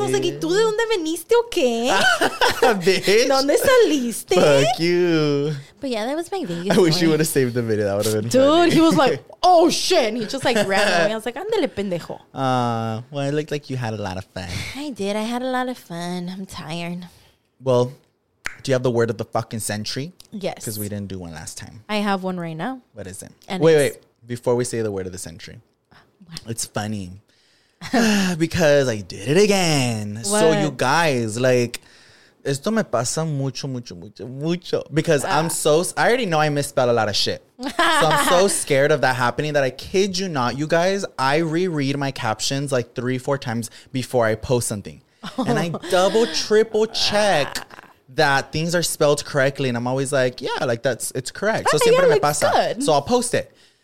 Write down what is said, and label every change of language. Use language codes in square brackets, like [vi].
[en] I was like, [es] ¿y tú de dónde viniste o qué? [en] Bitch. [es] ¿Dónde saliste? [en] Fuck you. But yeah, that was my Vegas. I wish you would have saved the video. That would have been dude, funny. He was like, oh, shit. And he just like ran away. I was like, [es] andale, pendejo. [en] Well, it looked like you had a lot of fun. I did. I had a lot of fun. I'm tired. Well, do you have the word of the fucking century? Yes. Because we didn't do one last time. I have one right now. What is it? And wait, before we say the word of the century. What? It's funny. Because I did it again. What? So you guys, like, [es] esto me pasa mucho, mucho, mucho, mucho. [en] Because I'm so, I already know I misspell a lot of shit. So I'm so scared of that happening that I kid you not, you guys, I reread my captions like 3-4 times before I post something. And I double, triple check that things are spelled correctly. And I'm always like, yeah, like that's, it's correct. So [es] siempre me pasa. [en] So I'll post it.